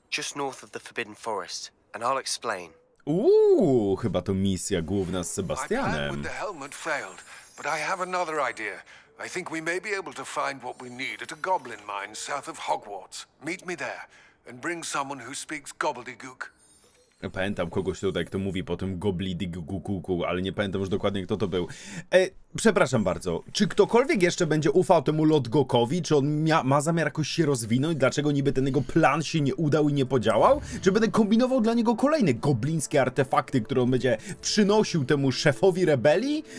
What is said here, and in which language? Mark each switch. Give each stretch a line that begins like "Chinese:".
English: Just north of the Forbidden Forest, and I'll explain.
Polish: Chyba to misja główna z Sebastianem.
English: My plan with the helmet failed, but I have another idea. I think we may be able to find what we need at a goblin mine south of Hogwarts. Meet me there, and bring someone who speaks gobbledygook.
Polish: Pamiętam kogoś tutaj, kto mówi po tym goblidygugukuku, ale nie pamiętam już dokładnie, kto to był. Przepraszam bardzo, czy ktokolwiek jeszcze będzie ufał temu Lodgokowi? Czy on ma zamiar jakoś się rozwinąć? Dlaczego niby ten jego plan się nie udał i nie podziałał? Czy będę kombinował dla niego kolejne goblińskie artefakty, które on będzie przynosił temu szefowi rebelii?